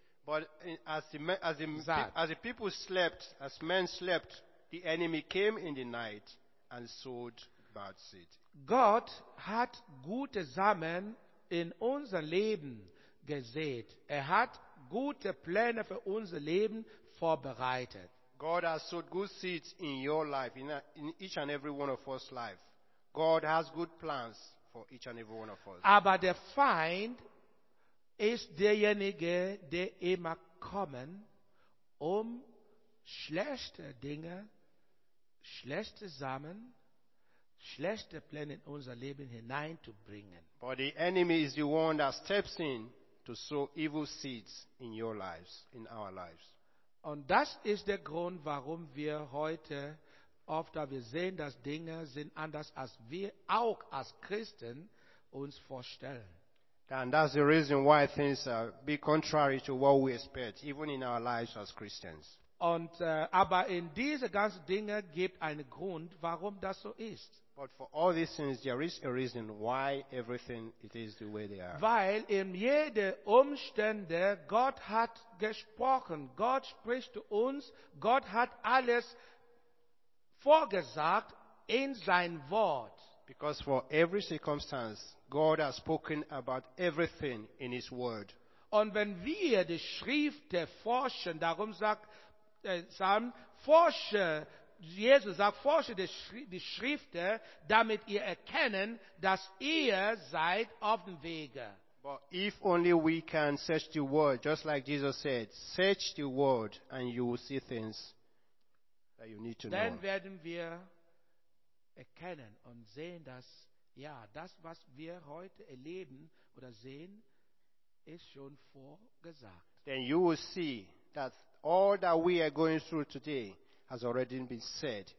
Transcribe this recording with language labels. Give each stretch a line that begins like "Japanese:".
English: But as the people slept, as men slept, the enemy came in the night and sowed bad seed.
German: God hat gute Samen in unser Leben gesät. Er hat gute Pläne für unser Leben vorbereitet.
English: God has sowed good seeds in your life, in each and every one of us' life. God has good plans for each and every one of us.
German: Aber der Feind ist derjenige, der immer kommen, um schlechte Dinge, schlechte Samen, schlechte Pläne in unser Leben hineinzubringen.
English: But the enemy is the one that steps in to sow evil seeds in your lives, in our lives.
German: Und das ist der Grund, warum wir heute oft, da wir sehen, dass Dinge sind anders, als wir auch als Christen uns vorstellen.
English: And that's the reason why things be contrary to what we expect, even in our lives as Christians.
German: Und aber in diese ganzen Dinge gibt einen Grund, warum das so ist.
English: But for all these things, there is a reason why everything it is the way they are.
German: Weil in jede Umstände Gott hat gesprochen, Gott spricht zu uns, Gott hat alles vorgesagt in sein Wort.
English: Because for every circumstance, God has spoken about everything in his word.
German: Und wenn wir die Schrift forschen, darum sagt Psalm, forsche, Jesus sagt, forsche die Schrift, damit ihr erkennen, dass ihr seid auf dem Wege.
English: But if only we can search the word, just like Jesus said, search the word and you will see things that you need to know.
German: Dann werden wir erkennen und sehen, dass ja, das, was wir heute erleben oder sehen, ist schon vorgesagt.
English: Then you will see that all that we are going through today has already been said.